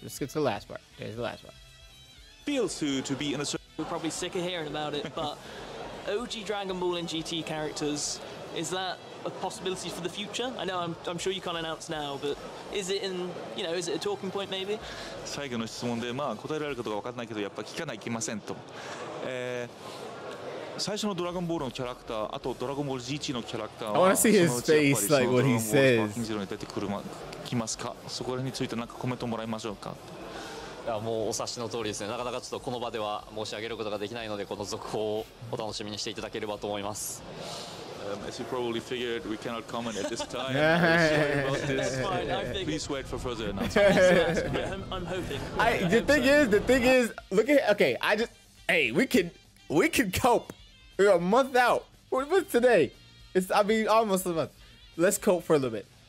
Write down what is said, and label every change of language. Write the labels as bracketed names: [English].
[English] Let's get to the last part. There's the last part. Feels to be in a certain. We're probably sick of hearing about it, but OG Dragon Ball and GT characters, is that a possibility for the future? I know I'm sure you can't announce now, but is it in, you know, is it a talking point maybe? [Japanese] 最後の質問で、まあ答えられるかどうか分かんないけど、やっぱ聞かないといけませんと。最初のドラゴンボールのキャラクター、あとドラゴンボール GT のキャラクターは、 [English] I wanna see his face, like what he says. [Japanese] そのうちやっぱりそのドラゴンボールスパーキンジローに出てくるますか？そこらについてなんかコメントもらいましょうか？いや、もうお察しの通りですね。なかなかちょっとこの場では申し上げることができないので、この続報をお楽しみにしていただければと思います。 [English] As you probably figured, we cannot comment at this time. I'm sorry about this. Fine, please wait for further announcements. I'm hoping. The thing is, look at, okay, I just, hey, we could cope. We're a month out. What's today? Almost a month. Let's cope for a little bit.